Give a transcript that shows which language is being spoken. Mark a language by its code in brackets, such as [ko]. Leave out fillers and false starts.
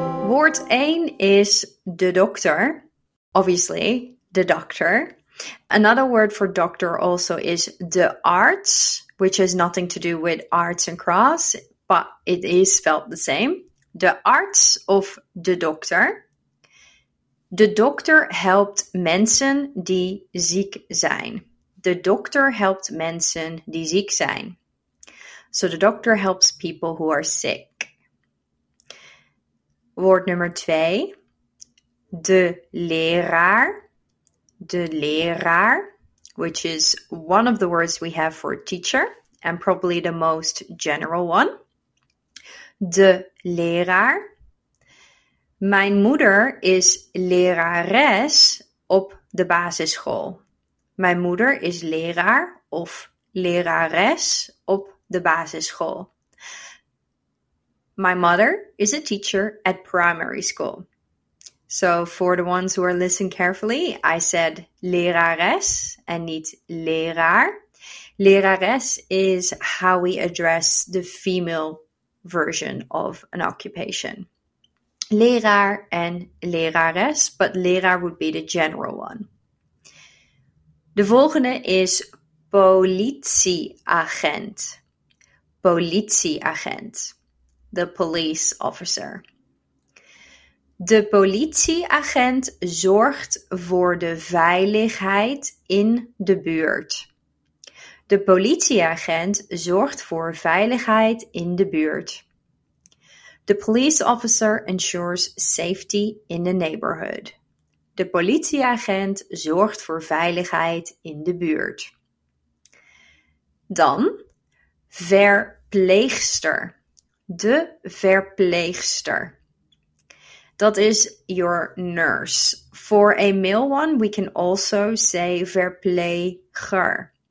[en] Word 1 is the doctor, obviously the doctor. Another word for doctor also is the arts, which has nothing to do with arts and crafts, but it is spelled the same. The arts of the doctor. The doctor helped [nl] mensen die ziek zijn. [en] The doctor helped [nl] mensen die ziek zijn. [en] So the doctor helps people who are sick. Word number 2. De leraar. De leraar, which is one of the words we have for teacher and probably the most general one. [nl] De leraar. Mijn moeder is lerares op de basisschool. Mijn moeder is leraar of lerares op de basisschool. [en] My mother is a teacher at primary school. So for the ones who are listening carefully, I said lerares and [nl] niet [en] leraar. Lerares is how we address the female version of an occupation. Leraar and lerares, but leraar would be the general one. [nl] De volgende is politieagent. [en] Politieagent. The police officer. [nl] De politieagent zorgt voor de veiligheid in de buurt. De politieagent zorgt voor veiligheid in de buurt. [en] The police officer ensures safety in the neighborhood. [nl] De politieagent zorgt voor veiligheid in de buurt. Dan verpleegster. [en] De verpleegster. That is your nurse. For a male one, we can also say verpleger.